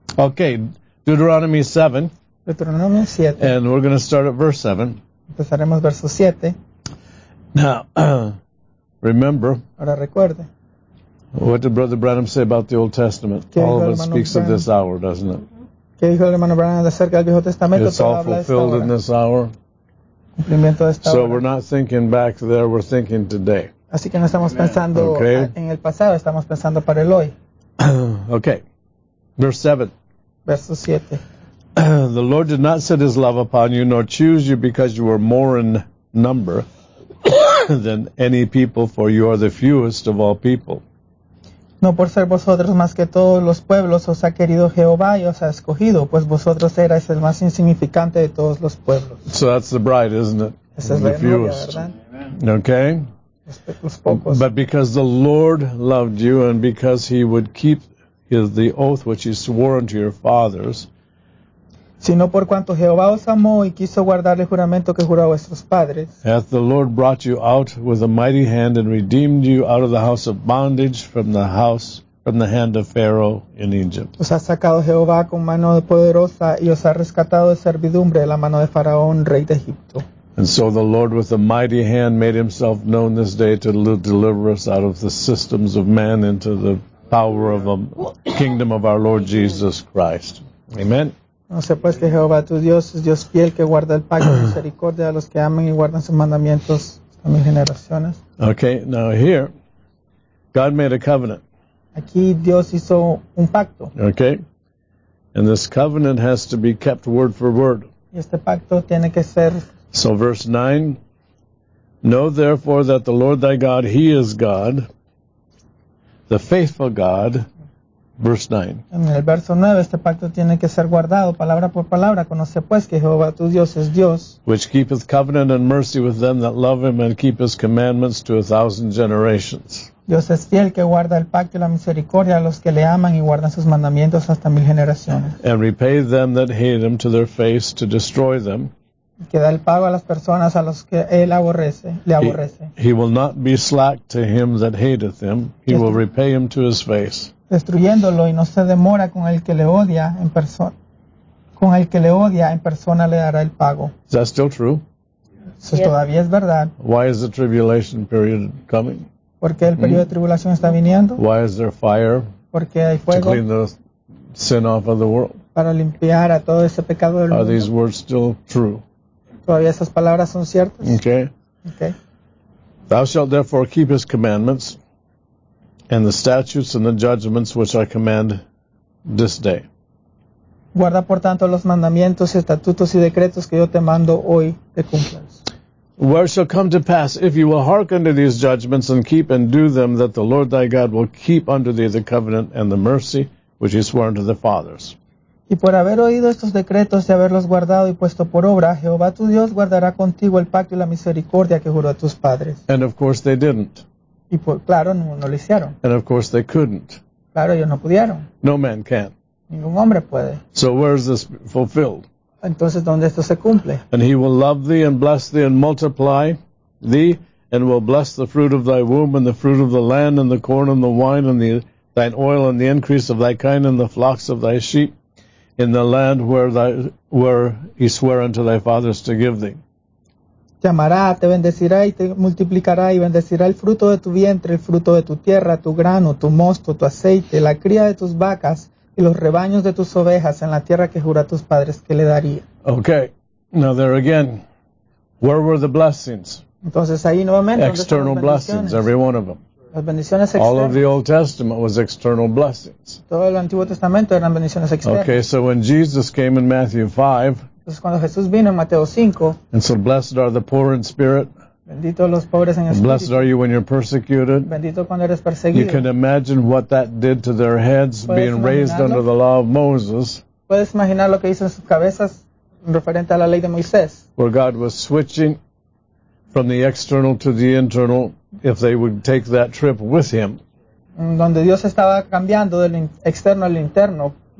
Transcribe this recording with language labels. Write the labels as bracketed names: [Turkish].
[English] Okay, Deuteronomy 7. Deuteronomy 7. And we're going to start at verse 7. [Spanish] Empezaremos verso 7. [English] Now, remember. [Spanish] Ahora recuerde. [English] What did Brother Branham say about the Old Testament? All of it speaks of this hour, doesn't it? [Spanish] ¿Qué dijo el hermano Branham acerca del Viejo Testamento? [English] It's all fulfilled in this hour. [Spanish] Cumplimiento de esta [English] so [Spanish] hora. [English] We're not thinking back there, we're thinking today. [Spanish] Así que no estamos pensando [English] okay. [Spanish] En el pasado, estamos pensando para el hoy. [English] Okay. Verse 7. [Spanish] Verso 7. [English] The Lord did not set his love upon you, nor choose you because you were more in number than any people, for you are the fewest of all people. [Spanish] No por ser vosotros más que todos los pueblos os ha querido Jehová y os ha escogido, pues vosotros erais el más insignificante de todos los pueblos. [English] So that's the bride, isn't it? [Spanish] Esa es [English] the [Spanish] la [English] fewest. [Spanish] Novia, ¿verdad? [English] Okay. But because the Lord loved you and because he would keep the oath which he swore unto your fathers. [Spanish] Sino por cuanto Jehová os amó y quiso guardar el juramento que juró a vuestros padres. [English] Hath the Lord brought you out with a mighty hand and redeemed you out of the house of bondage from the hand of Pharaoh in Egypt. [Spanish] Os ha sacado Jehová con mano poderosa y os ha rescatado de servidumbre de la mano de Faraón, rey de Egipto. [English] And so the Lord with a mighty hand made himself known this day to deliver us out of the systems of man into the power of the kingdom of our Lord Jesus Christ. Amen. [Spanish] No sé pues que Jehová tu Dios es Dios fiel que guarda el pacto de misericordia a los que aman y guardan sus mandamientos a mis generaciones. [English] Okay, now here, God made a covenant. [Spanish] Aquí Dios hizo un pacto. [English] Okay, and this covenant has to be kept word for word. [Spanish] Y este pacto tiene que ser. [English] So verse 9, know therefore that the Lord thy God, he is God, the faithful God, verse 9. [Spanish] En el verso 9, este pacto tiene que ser guardado palabra por palabra. Conoce pues que Jehová tu Dios es Dios. [English] Which keepeth covenant and mercy with them that love him and keep his commandments to 1,000 generations. [Spanish] Dios es fiel que guarda el pacto y la misericordia a los que le aman y guardan sus mandamientos hasta 1,000 generaciones. [English] And repay them that hate him to their face to destroy them. [Spanish] Que da el pago a las personas a los que él aborrece, le aborrece. [English] He will not be slack to him that hateth him. He will repay him to his face. [Spanish] Destruyéndolo y no se demora con el que le odia en persona. Con el que le odia en persona le dará el pago. [English] Is that still true? [Spanish] Eso todavía es verdad. [English] Why is the tribulation period coming? [Spanish] ¿Por qué el periodo de tribulación está viniendo? [English] Why is there fire? [Spanish] Porque hay fuego. [English] To clean the sin off of the world. [Spanish] Para limpiar a todo ese pecado del mundo. [English] Are these words still true? [Spanish] ¿Todavía esas palabras son ciertas? [English] Okay. Okay. Thou shalt therefore keep his commandments and the statutes and the judgments which I command this day. [Spanish] Guarda por tanto los mandamientos, estatutos y decretos que yo te mando hoy de cumplas. [English] Where shall come to pass, if you will hearken to these judgments and keep and do them, that the Lord thy God will keep unto thee the covenant and the mercy which he swore unto the fathers. [Spanish] Y por haber oído estos decretos y haberlos guardado y puesto por obra, Jehová tu Dios guardará contigo el pacto y la misericordia que juró a tus padres. [English] And of course they didn't. [Spanish] Y por, claro, no lo hicieron. [English] And of course they couldn't. [Spanish] Claro, ellos no pudieron. [English] No man can. [Spanish] Ningún hombre puede. [English] So where is this fulfilled? [Spanish] Entonces, ¿dónde esto se cumple? [English] And he will love thee and bless thee and multiply thee and will bless the fruit of thy womb and the fruit of the land and the corn and the wine and thine oil and the increase of thy kine and the flocks of thy sheep. In the land where he sware unto thy fathers to give thee. [Spanish] llamará, te bendecirá y te multiplicará y bendecirá el fruto de tu vientre, el fruto de tu tierra, tu grano, tu mosto, tu aceite, la cría de tus vacas y los rebaños de tus ovejas en la tierra que juró a tus padres que le daría. [English] Okay, now there again, where were the blessings? [Spanish] Entonces ahí nuevamente, [English] external blessings, every one of them. [Spanish] Las bendiciones externas. [English] All of the Old Testament was external blessings. [Spanish] Todo el Antiguo Testamento eran bendiciones externas. [English] Okay, so when Jesus came in Matthew 5, [Spanish] entonces cuando Jesús vino en Mateo 5, [English] and so blessed are the poor in spirit, [Spanish] bendito los pobres en espíritu, [English] blessed are you when you're persecuted, [Spanish] bendito cuando eres perseguido. [English] You can imagine what that did to their heads being raised under the law of Moses. [Spanish] Puedes imaginar lo que hizo en sus cabezas referente a la ley de Moisés. [English] Where God was switching from the external to the internal, if they would take that trip with him. [Spanish] Donde Dios estaba cambiando del externo al interno.